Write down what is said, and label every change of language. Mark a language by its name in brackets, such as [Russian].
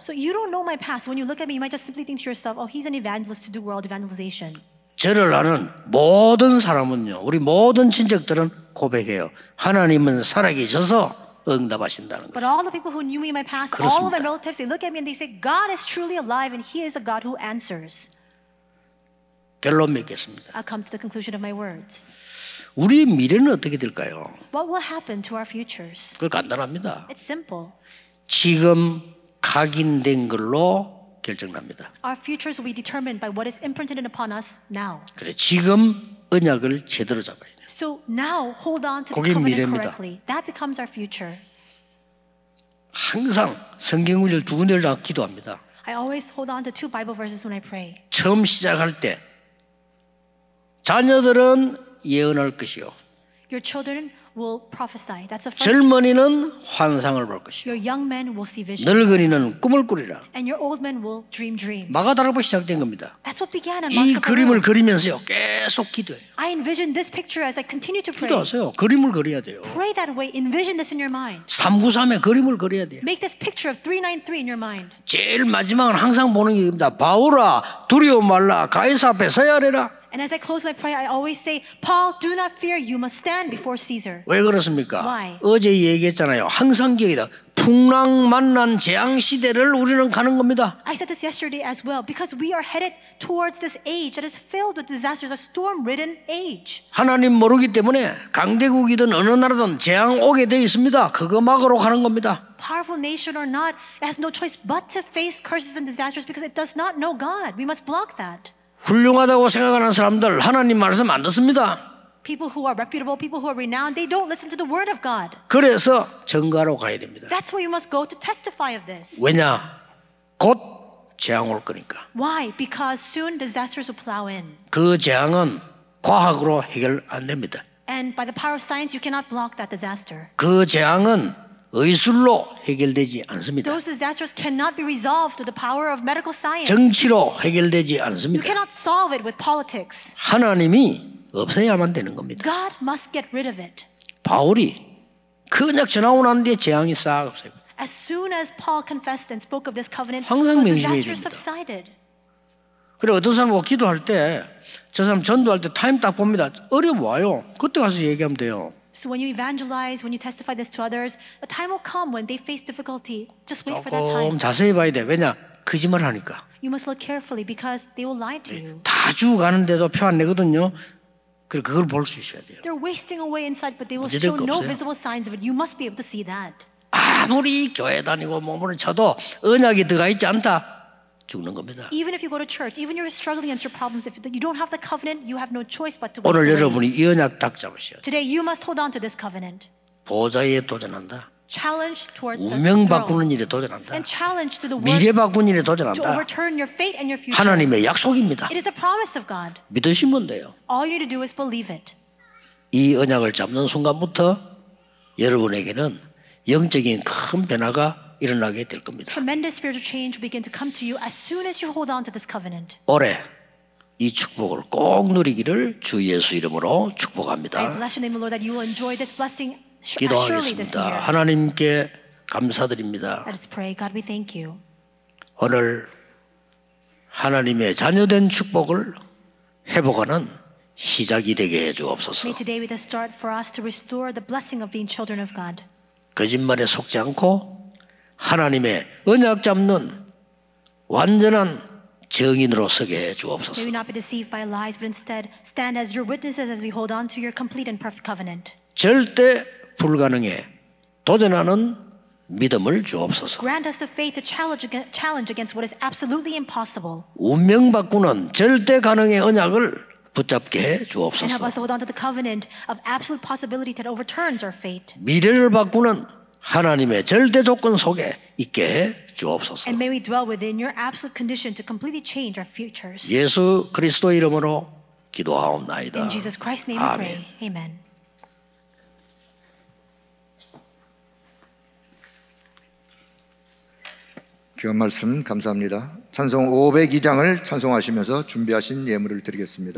[English] So you don't know my past. When you look at me, you might just simply think to yourself, oh, he's an evangelist to do world evangelization. [Korean] 저를 아는 모든 사람은요, 우리 모든 친척들은 고백해요. 하나님은 살아계셔서 응답하신다는 [English] But [Korean] 거죠. [English] all the people who knew me in my past, [Korean] 그렇습니다. [English] all of my relatives, they look at me and they say, God is truly alive and He is a God who answers. [Korean] 결론 맺겠습니다. [English] I'll come to the conclusion of my words. [Korean] 우리 미래는 어떻게 될까요? [English] What will happen to our futures? [Korean] 그걸 간단합니다. [English] It's simple. [Korean] 지금 각인된 걸로 결정납니다. [English] Our futures will be determined by what is imprinted upon us now. [Korean] 그래, 지금 언약을 제대로 잡아야 돼요. [English] So now hold on to the covenant [Korean] 미래입니다. [English] correctly. That becomes our future. [Korean] 항상 성경 구절 두 군데를 다 기도합니다. [English] I always hold on to two Bible verses when I pray. [Korean] 처음 시작할 때 자녀들은 예언할 것이요. [English] Your children will prophesy. That's a first. [Korean] 젊은이는 환상을 볼 것이요. [English] Your young men will see visions. [Korean] 늙은이는 꿈을 꾸리라. [English] And your old men will dream dreams. [Korean] 마가다락방 시작된 겁니다. [English] That's what began. [Korean] 이 그림을 그리면서요 계속 기도해요. [English] I envision this picture as I continue to pray. [Korean] 기도하세요. 그림을 그려야 돼요. [English] Pray that way. Envision this in your mind. [Korean] 393의 그림을 그려야 돼요. [English] Make this picture of 393 in your mind. [Korean] 제일 마지막은 항상 보는 것입니다. 바울아 두려워 말라 가이사 앞에 서야 하리라. [English] And as I close my prayer, I always say, Paul, do not fear. You must stand before Caesar. [Korean] 왜 그렇습니까? [English] Why? [Korean] 어제 얘기했잖아요. 항상 기억이다. 풍랑 만난 재앙 시대를 우리는 가는 겁니다. [English] I said this yesterday as well, because we are headed towards this age that is filled with disasters, a storm-ridden age. [Korean] 하나님 모르기 때문에 강대국이든 어느 나라든 재앙 오게 돼 있습니다. 그거 막으러 가는 겁니다. [English] Powerful nation or not, it has no choice but to face curses and disasters because it does not know God. We must block that. [Korean] 훌륭하다고 생각하는 사람들 하나님 말씀 안 듣습니다. [English] People who are reputable, people who are renowned, they don't listen to the word of God. [Korean] 그래서 증거하러 가야 됩니다. [English] That's why you must go to testify of this. [Korean] 왜냐? 곧 재앙 올 거니까. [English] Why? Because soon disasters will plow in. [Korean] 그 재앙은 과학으로 해결 안 됩니다. [English] And by the power of science, you cannot block that disaster. [Korean] 그 재앙은 의술로 해결되지 않습니다. [English] Those disasters cannot be resolved with the power of medical science. [Korean] 정치로 해결되지 않습니다. [English] You cannot solve it with politics. [Korean] 하나님이 없애야만 되는 겁니다. [English] God must get rid of it. [Korean] 바울이 그냥 전화 온 뒤에 재앙이 싹 없어요. [English] As soon as Paul confessed and spoke of this covenant, those disasters subsided. [Korean] 그래 어떤 사람과 기도할 때 저 사람 전도할 때 타임 딱 봅니다. 어려워요. 그때 가서 얘기하면 돼요. [English] So when you evangelize, when you testify this to others, a time will come when they face difficulty. Just wait for that time. [Korean] 자세히 봐야 돼. 왜냐? 거짓말 하니까. [English] You must look carefully because they will lie to you. [Korean] 다 죽어가는데도 표 안 내거든요. 그걸 볼 수 있어야 돼요. [English] They're wasting away inside, but they will show no visible signs of it. You must be able to see that. [Korean] 아무리 교회 다니고 몸을 쳐도 언약이 들어가 있지 않다. 죽는 겁니다. [English] Even if you go to church, even if you're struggling against your problems, if you don't have the covenant, you have no choice but to. [Korean] 오늘 여러분이 이 언약 딱 잡으셔. [English] Today you must hold on to this covenant. [Korean] 보좌에 도전한다. [English] Challenge toward the throne. [Korean] 운명 바꾸는 일에 도전한다. [English] And challenge to the world. [Korean] 미래 바꾸는 일에 도전한다. [English] To overturn your fate and your future. [Korean] 하나님의 약속입니다. [English] It is a promise of God. [Korean] 믿으시면 돼요. [English] All you need to do is believe it. [Korean] 이 언약을 잡는 순간부터 여러분에게는 영적인 큰 변화가 일어나게 될 겁니다. [English] Tremendous spiritual change begin to come to you as soon as you hold on to this covenant. [Korean] 올해 이 축복을 꼭 누리기를 주 예수 이름으로 축복합니다. [English] I bless your name, Lord, that you will enjoy this blessing surely this year. [Korean] 기도하겠습니다. 하나님께 감사드립니다. [English] Let's pray. God, we thank you. [Korean] 오늘 하나님의 자녀된 축복을 회복하는 시작이 되게 해 주옵소서. [English] May today be the start for us to restore the blessing of being children of God. [Korean] 거짓말에 속지 않고 하나님의 언약 잡는 완전한 증인으로 서게 해 주옵소서. [English] May we not be deceived by lies, but instead stand as your witnesses as we hold on to your complete and perfect covenant. [Korean] 절대 불가능에 도전하는 믿음을 주옵소서. [English] Grant us the faith to challenge against what is absolutely impossible. [Korean] 운명 바꾸는 절대 가능의 언약을 붙잡게 해 주옵소서. [English] And help us hold on to the covenant of absolute possibility that overturns our fate. [Korean] 미래를 바꾸는 하나님의 절대 조건 속에 있게 해 주옵소서. [English] And may we dwell within your absolute condition to completely change our futures. [Korean] 예수 그리스도 이름으로 기도하옵나이다. [English] In Jesus Christ's name, Amen. Pray. Amen. [Korean] 귀한 말씀 감사합니다. 찬송 502장을 찬송하시면서 준비하신 예물을 드리겠습니다.